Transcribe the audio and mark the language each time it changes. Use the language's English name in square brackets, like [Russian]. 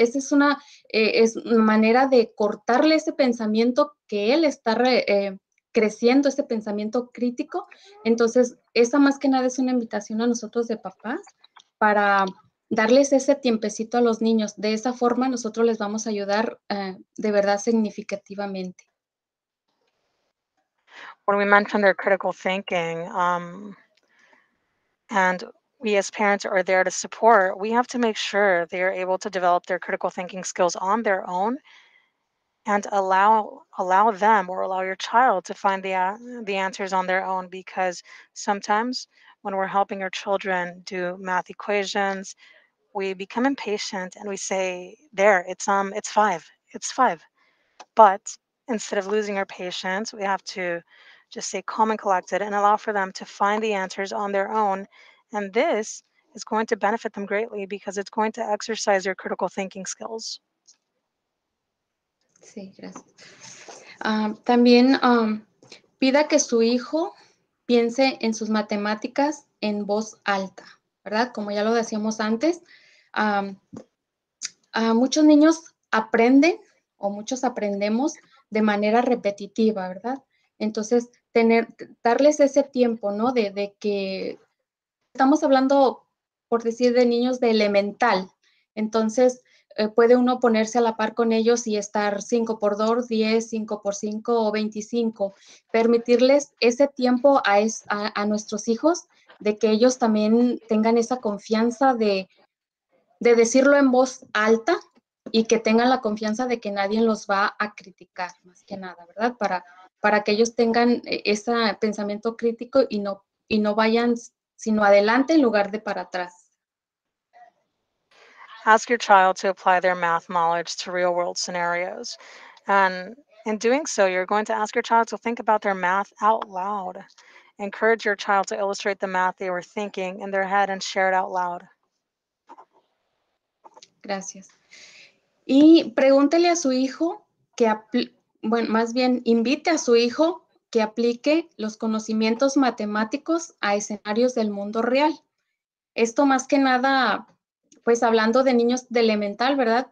[Spanish] Esa es una manera de cortarle ese pensamiento que él está creciendo, ese pensamiento crítico. Entonces, esa más que nada es una invitación a nosotros de papás para darles ese tiempecito a los niños. De esa forma, nosotros les vamos a ayudar de verdad significativamente. [English] When we mention their critical thinking, and we as parents are there to support, we have to make sure they are able to develop their critical thinking skills on their own and allow them or allow your child to find the answers on their own, because sometimes when we're helping your children do math equations, we become impatient and we say, there, it's five. But instead of losing our patience, we have to just stay calm and collected and allow for them to find the answers on their own. And this is going to benefit them greatly because it's going to exercise their critical thinking skills. [Spanish] Sí, gracias. También pida que su hijo piense en sus matemáticas en voz alta, ¿verdad? Como ya lo decíamos antes, muchos niños aprenden o muchos aprendemos de manera repetitiva, ¿verdad? Entonces, darles ese tiempo, ¿no? De que estamos hablando, por decir, de niños de elemental. Entonces, puede uno ponerse a la par con ellos y estar 5 × 2, 10, 5 × 5 o 25. Permitirles ese tiempo a nuestros hijos de que ellos también tengan esa confianza de decirlo en voz alta y que tengan la confianza de que nadie los va a criticar, más que nada, ¿verdad? Para que ellos tengan ese pensamiento crítico y no vayan sino adelante en lugar de para atrás. [English] Ask your child to apply their math knowledge to real-world scenarios. And in doing so, you're going to ask your child to think about their math out loud. Encourage your child to illustrate the math they were thinking in their head and share it out loud. [Spanish] Gracias. Y pregúntele a su hijo invite a su hijo que aplique los conocimientos matemáticos a escenarios del mundo real. Esto más que nada, pues hablando de niños de elemental, ¿verdad?